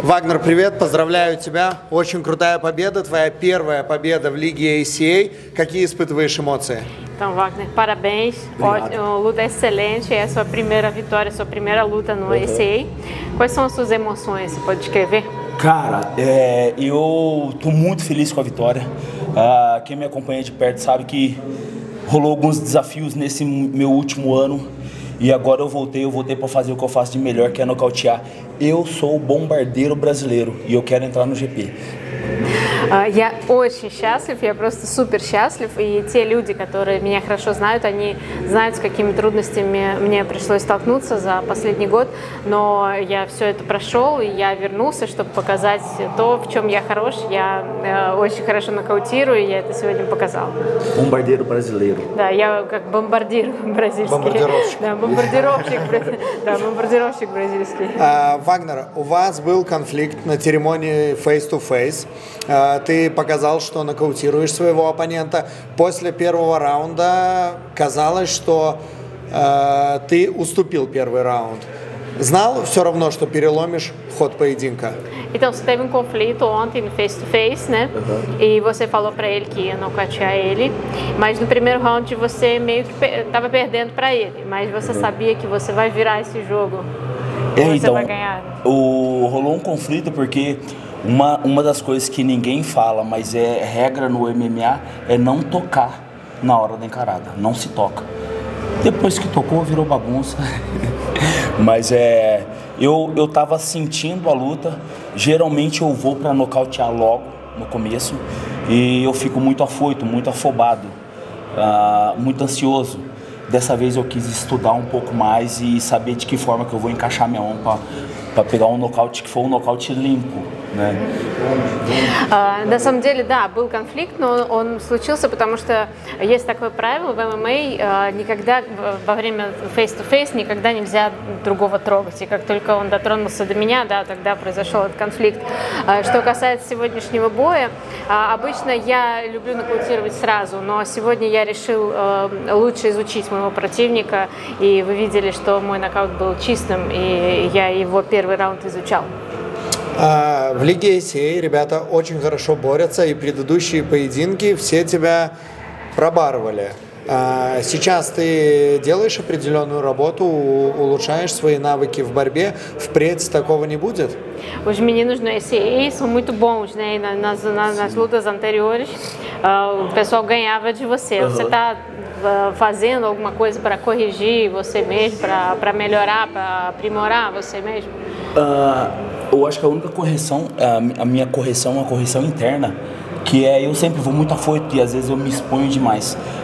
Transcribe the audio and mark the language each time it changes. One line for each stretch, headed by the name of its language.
Russian: Вагнер, привет, поздравляю тебя. Очень крутая победа, твоя первая победа в лиге ACA. Какие испытываешь эмоции?
Portuguese: Então, Wagner, parabéns. Luta excelente. É a sua primeira vitória, sua primeira luta no ACA. Quais são as suas emoções? Você pode escrever? Cara, eu tô muito feliz com a vitória. Quem me acompanha de perto sabe que rolou alguns desafios nesse meu último ano. E agora eu voltei para fazer o que eu faço de melhor, que é nocautear. Eu sou o bombardeiro brasileiro e eu quero entrar no GP.
Russian: Я очень счастлив, я просто супер счастлив, и те люди, которые меня хорошо знают, они знают, с какими трудностями мне пришлось столкнуться за последний год, но я все это прошел, и я вернулся, чтобы показать то, в чем я хорош, я очень хорошо нокаутирую, и я это сегодня показал. Бомбардир бразилейру. Да, я как бомбардир бразильский. Бомбардировщик. Да, бомбардировщик бразильский. Вагнер, у вас был конфликт на церемонии face-to-face. Ты показал, что нокаутируешь своего оппонента. После первого раунда казалось, что ты уступил первый раунд. Знал все равно, что переломишь ход поединка?
Portuguese: Então, você teve conflito ontem no face-to-face, né? E você falou para ele que ia nocautear ele. Mas no primeiro round você meio que estava perdendo para ele. Mas você sabia que você vai virar esse jogo. E então, você vai ganhar. Rolou conflito porque... Uma das coisas que ninguém fala, mas é regra no MMA, é não tocar na hora da encarada. Não se toca. Depois que tocou, virou bagunça. Mas eu tava sentindo a luta. Geralmente eu vou pra nocautear logo, no começo. E eu fico muito afoito, muito afobado, muito ansioso. Dessa vez eu quis estudar um pouco mais e saber de que forma que eu vou encaixar minha mão pra pegar um nocaute que foi um nocaute limpo.
Russian: На самом деле, да, был конфликт, но он случился, потому что есть такое правило в ММА, никогда во время face-to-face никогда нельзя другого трогать, и как только он дотронулся до меня, да, тогда произошел этот конфликт. Что касается сегодняшнего боя, обычно я люблю нокаутировать сразу, но сегодня я решил лучше изучить моего противника, и вы видели, что мой нокаут был чистым, и я его первый раунд изучал. В лиге ACA ребята очень хорошо борются, и предыдущие поединки все тебя пробарывали. Сейчас ты делаешь определенную работу, улучшаешь свои навыки в борьбе, впредь такого не будет?
Portuguese: Os meninos no ACA são muito bons, né? Nas lutas anteriores, o pessoal ganhava de você. Você está fazendo alguma coisa para corrigir você mesmo, para melhorar, para aprimorar você mesmo? Eu acho que a única correção, a minha correção é uma correção interna, que é eu sempre vou muito afoito e às vezes eu me exponho demais.